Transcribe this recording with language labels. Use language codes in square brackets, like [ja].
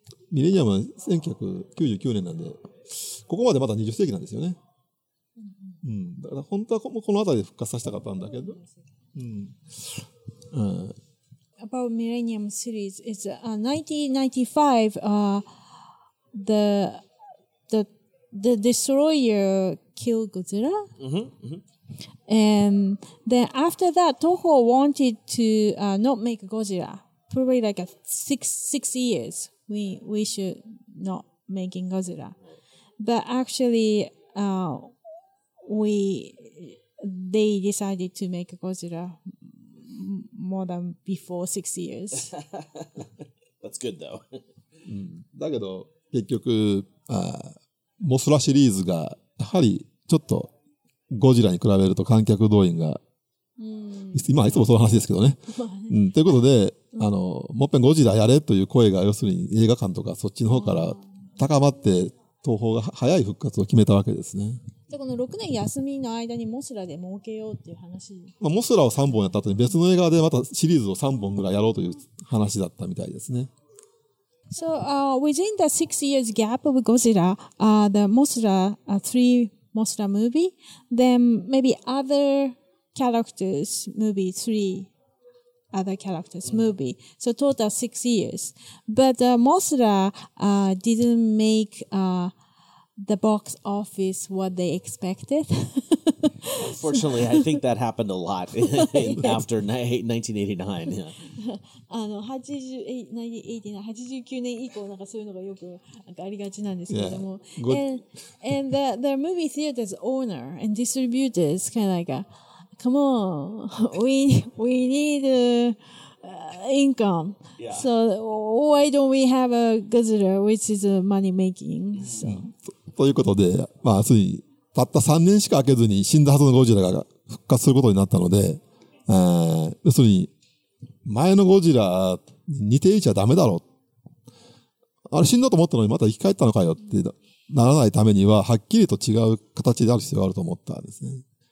[ja] ミレニアムは1999年なんで、ここまでまだ20世紀なんですよね。うん。だから本当はこの辺りで復活させたかったんだけど。 [en] About Millennium series, it's 1995, the destroyer killed Godzilla. And then after that, Toho wanted to not make Godzilla. Probably like a six years, we should not making Godzilla. But actually, they decided to make Godzilla more than before 6 years. That's good though. [ja] だけど結局、モスラシリーズがやはりちょっとゴジラに比べると観客動員が、今はいつもそういう話ですけどね。ということで、もっぺんゴジラやれという声が要するに映画館とかそっちの方から高まって東宝が早い復活を決めたわけですね。でこの6年休みの間にモスラで儲けようっていう話、まあ、モスラを3本やった後に別の映画でまたシリーズを3本ぐらいやろうという話だったみたいですね。 [en] So within the 6 years gap of Godzilla, the Mothra, three Mothra movie, then maybe other characters movie, three other characters movie. So total 6 years. But Mothra didn't make the box office what they expected. Unfortunately, I think that happened a lot after 1989. Yeah. 89, 1989 and the movie theater's owner and distributors kind of like, come on, we need income. Yeah. So why don't we have a Godzilla, which is money making? [ja] ということで、まあ、すでにたった3年しか空けずに死んだはずのゴジラが復活することになったので、要するに前のゴジラに似ていちゃダメだろ、あれ死んだと思ったのにまた生き返ったのかよってならないためには、はっきりと違う形である必要があると思ったんですね。